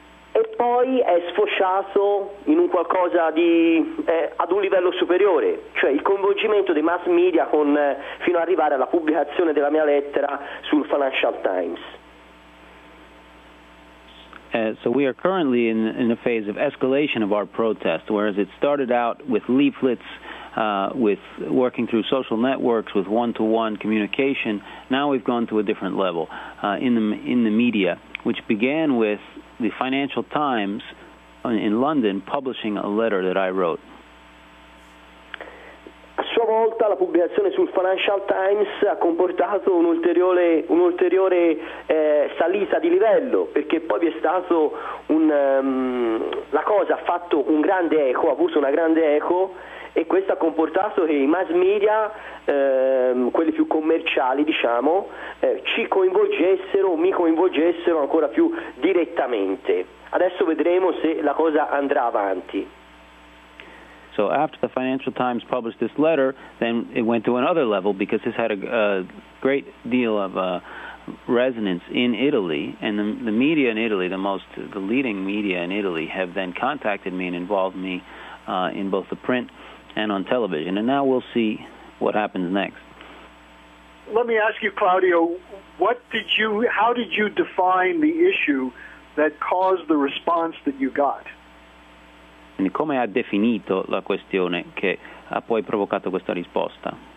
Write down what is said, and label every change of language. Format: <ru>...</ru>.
<it>E poi è sfociato in un qualcosa di ad un livello superiore, cioè il coinvolgimento dei mass media fino ad arrivare alla pubblicazione della mia lettera sul Financial Times.</it> <en>So we are currently in a phase of escalation of our protest, whereas it started out with leaflets, with working through social networks, with one-to-one communication. Now we've gone to a different level in the media, which began with the Financial Times in London publishing a letter that I wrote.</en> <it>A sua volta la pubblicazione sul Financial Times ha comportato un'ulteriore salita di livello, perché poi vi è stato la cosa ha avuto una grande eco e questo ha comportato che i mass media, quelli più commerciali, diciamo, ci coinvolgessero o mi coinvolgessero ancora più direttamente. Adesso vedremo se la cosa andrà avanti.</it> <en>So after the Financial Times published this letter, then it went to another level because this had a great deal of resonance in Italy, and the media in Italy, the leading media in Italy, have then contacted me and involved me in both the print and on television, and now we'll see what happens next. Let me ask you, Claudio, how did you define the issue that caused the response that you got?</en> <it>Quindi come ha definito la questione che ha poi provocato questa risposta?</it>